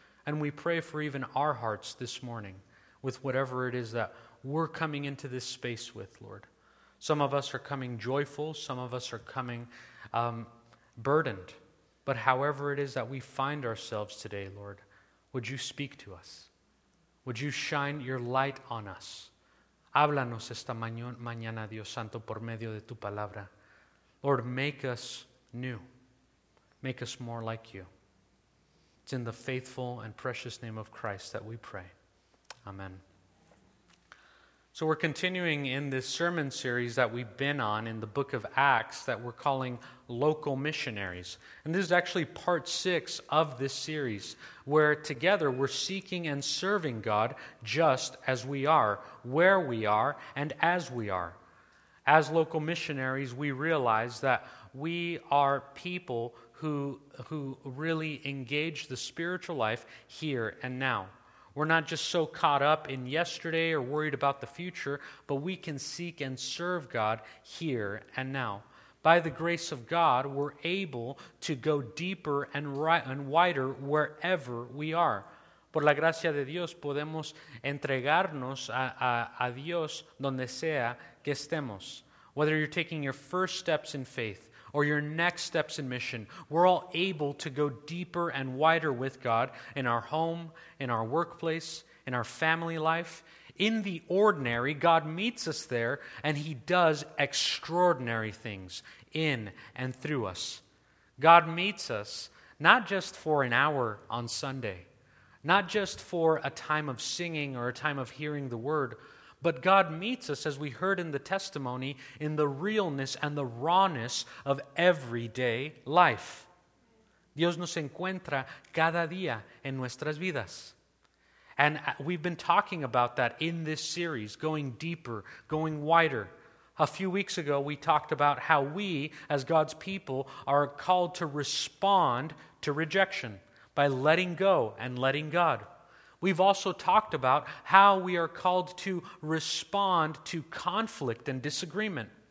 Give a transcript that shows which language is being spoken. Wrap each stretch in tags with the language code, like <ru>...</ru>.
<en>And we pray for even our hearts this morning with whatever it is that we're coming into this space with, Lord. Some of us are coming joyful. Some of us are coming burdened. But however it is that we find ourselves today, Lord, would you speak to us? Would you shine your light on us?</en> <es>Háblanos esta mañana, Dios Santo, por medio de tu palabra.</es> <en>Lord, make us new. Make us more like you. It's in the faithful and precious name of Christ that we pray. Amen. So we're continuing in this sermon series that we've been on in the book of Acts that we're calling Local Missionaries. And this is actually part 6 of this series, where together we're seeking and serving God just as we are, where we are, and as we are. As local missionaries, we realize that we are people who really engage the spiritual life here and now. We're not just so caught up in yesterday or worried about the future, but we can seek and serve God here and now. By the grace of God, we're able to go deeper and wider wherever we are.</en> <es>Por la gracia de Dios, podemos entregarnos a Dios donde sea que estemos.</es> <en>Whether you're taking your first steps in faith or your next steps in mission, we're all able to go deeper and wider with God in our home, in our workplace, in our family life. In the ordinary, God meets us there, and he does extraordinary things in and through us. God meets us not just for an hour on Sunday, not just for a time of singing or a time of hearing the word, but God meets us, as we heard in the testimony, in the realness and the rawness of everyday life.</en> <es>Dios nos encuentra cada día en nuestras vidas.</es> <en>And we've been talking about that in this series, going deeper, going wider. A few weeks ago, we talked about how we, as God's people, are called to respond to rejection by letting go and letting God. We've also talked about how we are called to respond to conflict and disagreement.</en>